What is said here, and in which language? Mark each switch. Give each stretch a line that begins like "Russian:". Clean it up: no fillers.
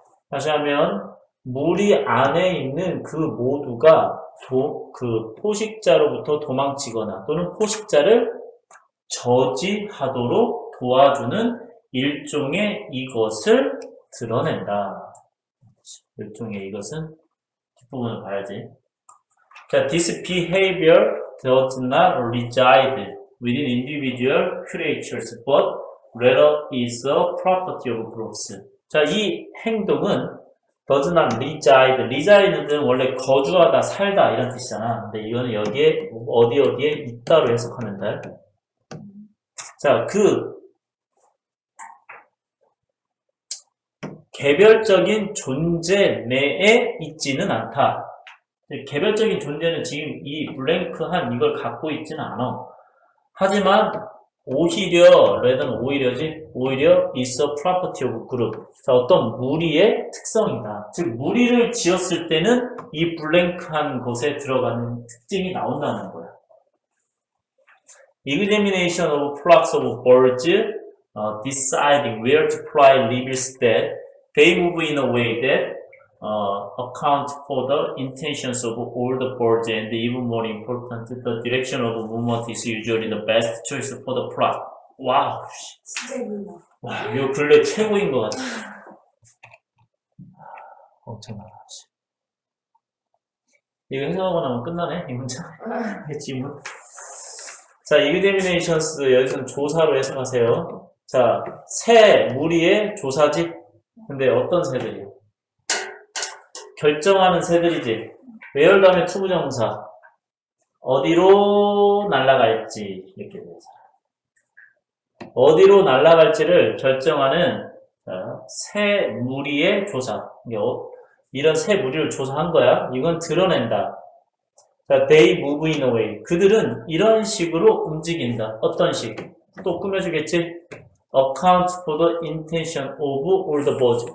Korean: 다시 하면 무리 안에 있는 그 모두가 그 포식자로부터 도망치거나 또는 포식자를 저지하도록 도와주는 일종의 이것을 드러낸다. 일종의 이것은 뒷부분을 봐야지.
English: 자, this behavior does not reside within individual creatures, but rather is a property of groups.
Korean: 자, 이 행동은
English: does not reside.
Korean: reside는 원래 거주하다, 살다, 이런 뜻이잖아. 근데 이거는 여기에, 어디 어디에 있다로 해석하면 돼. 자, 그, 개별적인 존재 내에 있지는 않다. 개별적인 존재는 지금 이 블랭크한 이걸 갖고 있지는 않아. 하지만 오히려 레드는 오히려지 오히려
English: is a property of group.
Korean: 자, 어떤 무리의 특성이다. 즉 무리를 지었을 때는 이 블랭크한 곳에 들어가는 특징이 나온다는 거야.
English: Examination of flocks of birds deciding where to fly reveals that they move in a way that account for the intentions of all the birds, and even more important, the direction of movement is usually the best choice for the flock.
Korean: 와우, 와, 이거 근래 최고인 것 같아. 엄청나다. 이거 해석하고 나면 끝나네, 이 문장. 이 질문. 자, examinations, 여기서는 조사로 해석하세요. 자, 새 무리의 조사지? 근데 어떤 새들이요? 결정하는 새들이지. where 다음에 to 부정사. 어디로 날아갈지. 이렇게 되죠. 어디로 날아갈지를 결정하는 새 무리의 조사. 이런 새 무리를 조사한 거야. 이건 드러낸다.
English: they move in a way.
Korean: 그들은 이런 식으로 움직인다. 어떤 식? 또 꾸며주겠지?
English: account for the intention of all the birds.